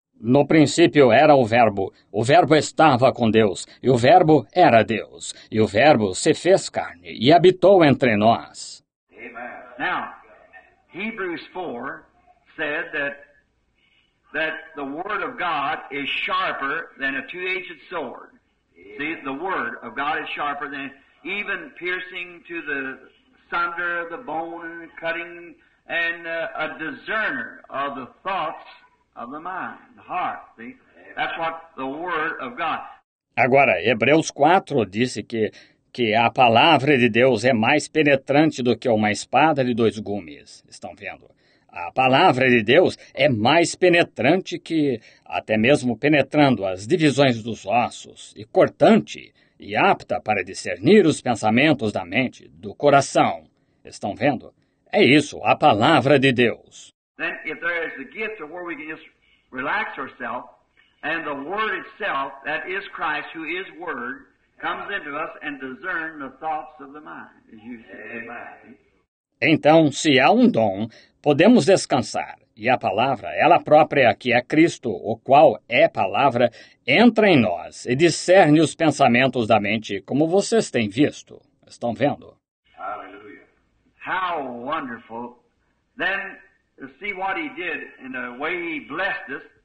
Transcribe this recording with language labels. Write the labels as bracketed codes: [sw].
[pt] No princípio era o verbo estava com Deus, e o verbo era Deus, e o verbo se fez carne e habitou entre nós. Amen. [en] Now, Hebrews 4 said that the word of God is sharper than a two-edged sword. Amen. See, the word of God is sharper than even piercing to the sunder the bone and cutting and a discerner of the thoughts of the mind, the heart. See? That's what the word of God. [pt] Agora, Hebreus 4 disse que a palavra de Deus é mais penetrante do que uma espada de 2 gumes. Estão vendo? A palavra de Deus é mais penetrante que até mesmo penetrando as divisões dos ossos e cortante e apta para discernir os pensamentos da mente, do coração. Estão vendo? É isso, a palavra de Deus. [en] Then if there is a gift of where we can just relax ourselves, and the word itself, that is Christ, who is word, comes into us and discern the thoughts of the mind. As you say. Amen. [pt] Então, se há um dom, podemos descansar. E a palavra, ela própria, que é Cristo, o qual é palavra, entra em nós e discerne os pensamentos da mente, como vocês têm visto. Estão vendo? Aleluia. [en] How wonderful. Then, see what he did in the way he blessed us.